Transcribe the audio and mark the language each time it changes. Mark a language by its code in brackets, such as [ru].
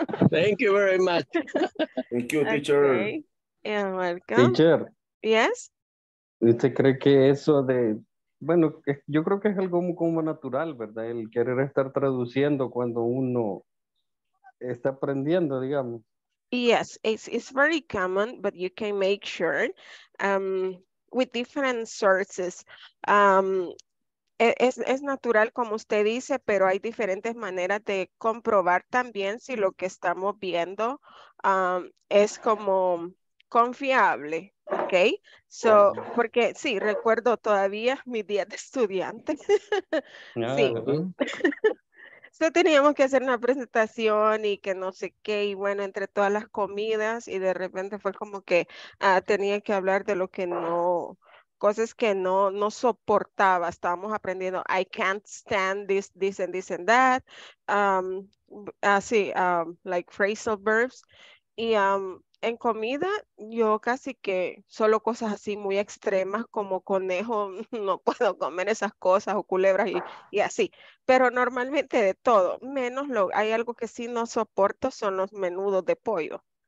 [en] Thank you very much. Thank you, teacher. Okay. You're welcome. Teacher. Yes. [es] ¿Usted cree que eso de... Bueno, yo creo que es algo como natural, ¿verdad? El querer estar traduciendo cuando uno está aprendiendo, digamos. [en] Yes, it's very common, but you can make sure with different sources. [es] Es natural, como usted dice, pero hay diferentes maneras de comprobar también si lo que estamos viendo es como confiable, ¿ok? So, porque sí, recuerdo todavía mis días de estudiante. Sí. So, teníamos que hacer una presentación y que no sé qué, y bueno, entre todas las comidas, y de repente fue como que tenía que hablar de lo que no... Cosas que no soportaba. Estábamos aprendiendo. [en] I can't stand this and this and that. Like phrasal verbs. [es] Y en comida, yo casi que solo cosas así muy extremas como conejo. No puedo comer esas cosas o culebras y así. Pero normalmente de todo. Menos lo, hay algo que sí no soporto son los menudos de pollo.